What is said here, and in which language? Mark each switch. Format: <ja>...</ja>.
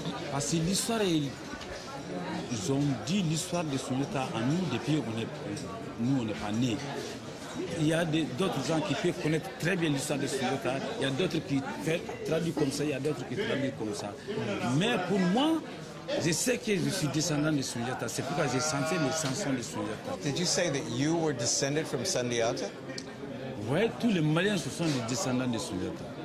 <fr>Parce que l'histoire, ils ont dit l'histoire de Sundiata à nous depuis que nous on n'est pas nés. Il y a d'autres gens qui peuvent connaître très bien l'histoire de Sundiata. Il y a d'autres qui traduisent comme ça, il y a d'autres qui traduisent comme ça. Mais pour moi, je sais que je suis descendant de Sundiata. C'est pourquoi j'ai chanté les chansons de Sundiata.</fr> <en>Did you say that you were descended from Sundiata?</en> <fr>Oui, tous les Maliens ce sont des descendants de Sundiata.</fr>